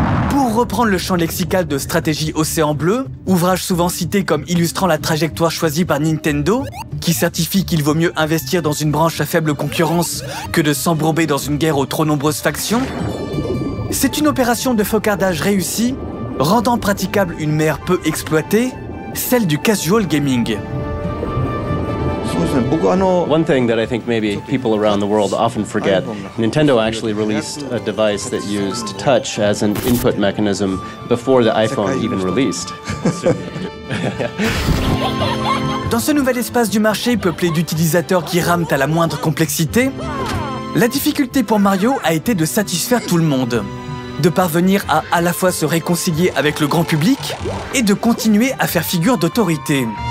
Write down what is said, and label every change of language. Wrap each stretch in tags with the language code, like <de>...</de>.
<fr>Pour reprendre le champ lexical de Stratégie Océan Bleu, ouvrage souvent cité comme illustrant la trajectoire choisie par Nintendo, qui certifie qu'il vaut mieux investir dans une branche à faible concurrence que de s'embourber dans une guerre aux trop nombreuses factions, c'est une opération de focardage réussie, rendant praticable une mer peu exploitée, celle du casual gaming.</fr> <en>One thing that I think maybe people around the world often forget, Nintendo actually released a device that used touch as an input mechanism before the iPhone even released.</en> <fr>Dans ce nouvel espace du marché peuplé d'utilisateurs qui rament à la moindre complexité, la difficulté pour Mario a été de satisfaire tout le monde, de parvenir à la fois se réconcilier avec le grand public et de continuer à faire figure d'autorité.</fr>